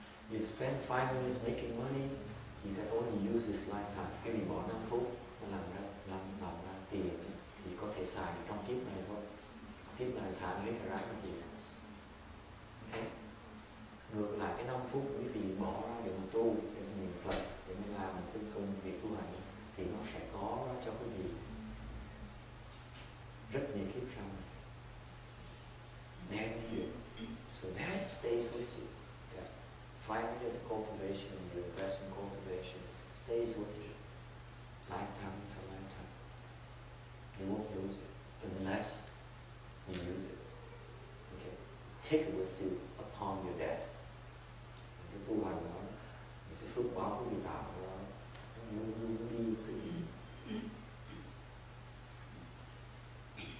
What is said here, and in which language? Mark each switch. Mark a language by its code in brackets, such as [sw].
[en] You spend 5 minutes making money, you can only use this lifetime. [vi] Khi mình bỏ 5 phút làm ra tiền thì có thể xài trong kiếp này thôi. Kiếp này xài lấy ra cái gì? Okay? Ngược lại cái 5 phút quý vị bỏ ra để mà tu, để mà niệm Phật, để mà làm cái công việc tu hành thì nó sẽ có ra cho quý vị rất nhiều kiếp sau. [en] Then you, so that stays with you. That 5 minutes of cultivation, your present cultivation stays with you, lifetime to lifetime. You won't lose it unless you use it. Okay, take it with you upon your death. [vi] Cái tu hành đó, cái phước báo của người tạo đó, luôn đi cái gì?